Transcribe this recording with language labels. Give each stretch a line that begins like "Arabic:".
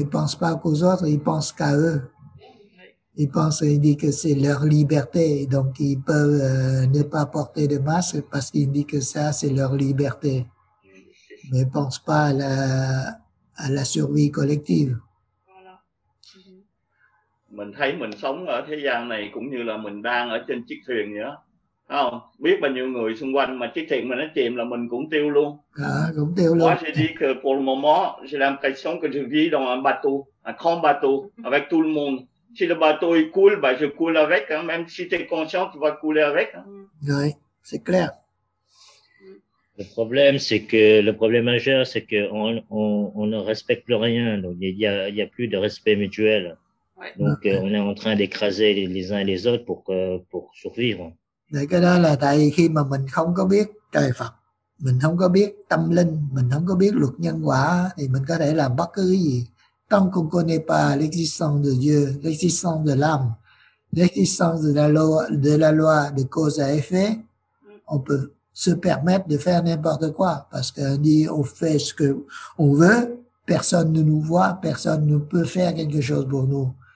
French: Ils pensent pas qu'aux autres, ils pensent qu'à eux. Ils pensent, ils disent que c'est leur liberté, donc ils peuvent ne pas porter de masque parce qu'ils disent que ça, c'est leur liberté. Mais ils ne pensent pas à la survie collective.
Vietnamese: Mình thấy mình sống ở thế gian này cũng như là mình đang ở trên chiếc thuyền vậy đó. Không, biết bao nhiêu người xung quanh mà chiếc thuyền mình nó chìm là mình cũng tiêu luôn. Cũng tiêu luôn.
French: Moi, j'ai dit que pour le moment, j'ai l'impression que je vis dans un bateau, un grand bateau, avec tout le monde. Si le bateau il coule, bah, je coule avec. Hein. Même si tu es conscient, tu vas couler avec. Hein. Oui, c'est clair. Le problème majeur, c'est qu'on ne respecte plus rien. Donc, il y a plus de respect mutuel. Ouais. Donc, on est en train d'écraser les uns et les autres pour survivre. Mais
Vietnamese: cái đó là tại khi mà mình không có biết trời Phật, mình không có biết tâm linh, mình không có biết luật nhân quả, thì mình có thể làm bất cứ gì.
French: Tant qu'on ne connaît pas l'existence de Dieu, l'existence de l'âme, l'existence de la loi de cause à effet, on peut se permettre de faire n'importe quoi. Parce qu'on dit, on fait ce qu'on veut, personne ne nous voit, personne ne peut faire quelque chose pour nous.